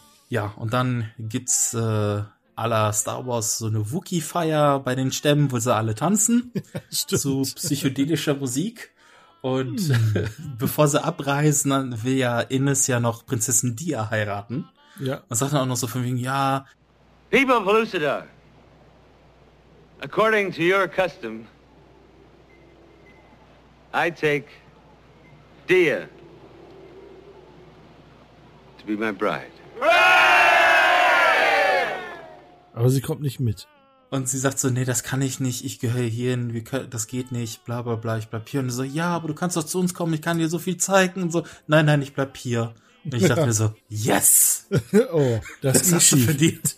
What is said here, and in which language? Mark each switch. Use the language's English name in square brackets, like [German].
[German] Ja, und dann gibt's à la Star Wars so eine Wookiee-Feier bei den Stämmen, wo sie alle tanzen. Stimmt. Zu psychedelischer Musik. Und bevor sie abreisen, dann will ja Innes ja noch Prinzessin Dia heiraten. Ja. Und sagt dann auch noch so von wegen, ja. [English] People of Pellucidar, according to your custom, I take Dia to be my bride. [German] Aber sie kommt nicht mit. Und sie sagt so, nee, das kann ich nicht, ich gehöre hierhin, wir können, das geht nicht, bla bla bla, ich bleib hier. Und so, ja, aber du kannst doch zu uns kommen, ich kann dir so viel zeigen. Und so, nein, nein, ich bleib hier. Und ich dachte mir so, yes! Oh, das ist hast du verdient.